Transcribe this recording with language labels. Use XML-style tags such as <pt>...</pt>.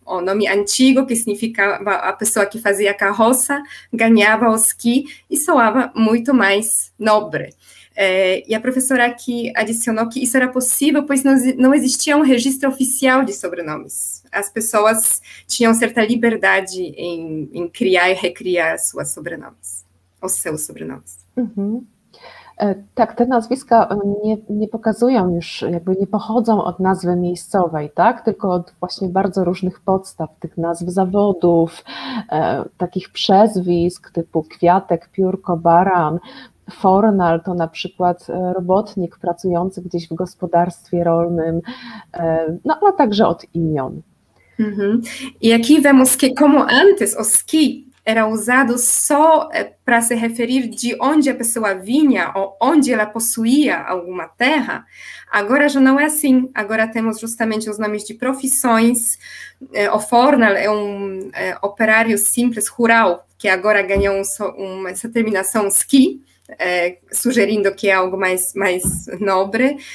<pt>O nome antigo, que significava a pessoa que fazia carroça, ganhava o ski e soava muito mais nobre. E a professora aqui adicionou que isso era possível, pois não existia um registro oficial de sobrenomes. As pessoas tinham certa liberdade em criar e recriar suas sobrenomes, os seus sobrenomes. Uhum.</pt> <pl>Tak, te nazwiska nie pokazują już, jakby nie pochodzą od nazwy miejscowej, tak? Tylko od właśnie bardzo różnych podstaw, tych nazw zawodów, takich przezwisk typu kwiatek, piórko, baran. Fornal to na przykład robotnik pracujący gdzieś w gospodarstwie rolnym, no a także od imion. Mm-hmm.</pl> <pt>I aqui vemos que como antes o ski era usado só para se referir de onde a pessoa vinha ou onde ela possuía alguma terra, agora já não é assim. Agora temos justamente os nomes de profissões. O fornal é um operário simples, rural, que agora ganhou essa terminação ski, sugerindo que é algo mais nobre.</pt>